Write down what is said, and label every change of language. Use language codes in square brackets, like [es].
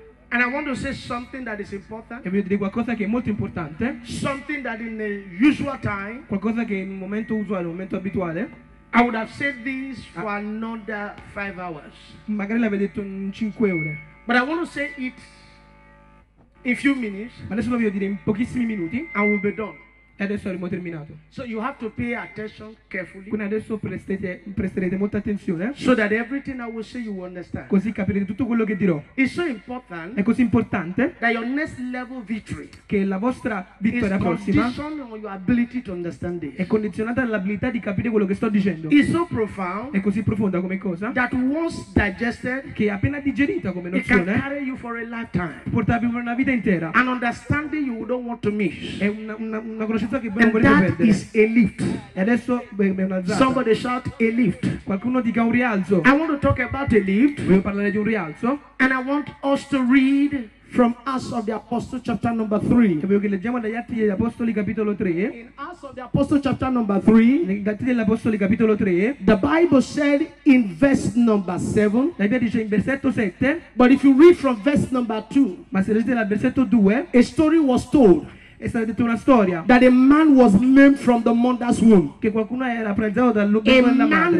[en] And I want to say something that is important. [it] E vi dire qualcosa che è molto importante. [en] Something that in the usual time. [it] Qualcosa che in un momento usuale, un momento abituale. [en] I would have said this for another 5 hours. [it] Magari l'avevo detto in 5 ore. [en] But I want to say it in few minutes. [it] Ma adesso lo voglio dire in pochissimi minuti. [en] I will be done. [it] E adesso avremo terminato. [en] So you have to pay attention carefully. [it] Quindi adesso presterete molta attenzione. [en] So that everything I will say you will understand. [it] Così capirete tutto quello che dirò. [en] It's so important. [it] È così importante. [en] That your next level victory. [it] Che la vostra vittoria prossima. [en] Your ability to understand this. [it] È condizionata all'abilità di capire quello che sto dicendo. [en] It's so profound. [it] È così profonda come cosa. [en] That once digested. [it] Che appena digerita come nozione. [en] It can carry you for a lifetime. [it] Portarvi per una vita intera. [en] An understanding you don't want to miss. [it] È una conoscenza che voi [en] and [it] non volete perdere. [en] And that is a lift. [it] E adesso è un alzato. [en] Somebody shout a lift. [it] Qualcuno dica un rialzo. [en] I want to talk about a lift. [it] Voglio parlare di un rialzo. [en] And I want us to read from Acts of the Apostles chapter number 3. [it] Che voglio che leggiamo dagli Atti degli Apostoli capitolo 3. [en] In Acts of the Apostles chapter number 3. [it] Negli Atti degli Apostoli capitolo 3. [en] The Bible said in verse number 7. [it] La Bibbia dice in versetto 7. [en] But if you read from verse number 2. [it] Ma se leggete dal versetto 2. [en] A story was told. [it] È stata detta una storia. [en] That a man was lamed from the mother's womb. [it] Che qualcuno era paralizzato dal grembo della madre.